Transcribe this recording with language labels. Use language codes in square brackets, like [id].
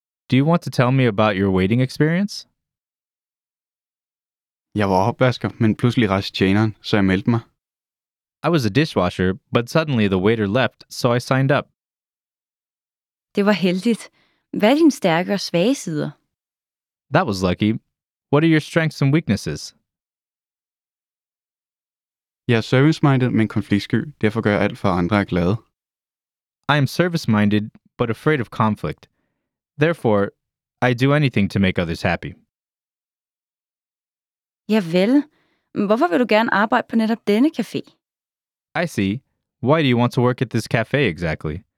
[en] Do you want to tell me about your waiting experience? [da] Jeg var opvasker, men pludselig rejste tjeneren, så jeg meldte mig. [en] I was a dishwasher, but suddenly the waiter left, so I signed up. [da] Det var heldigt. Hvad er dine stærke og svage sider? [en] That was lucky. What are your strengths and weaknesses? [da] Jeg er service-minded, men konfliktsky. Derfor gør jeg alt for, at andre er glade. [en] I am service-minded, but afraid of conflict. Therefore, I do anything to make others happy. [da] Javel. Hvorfor vil du gerne arbejde på netop denne café? [en] I see. Why do you want to work at this café exactly?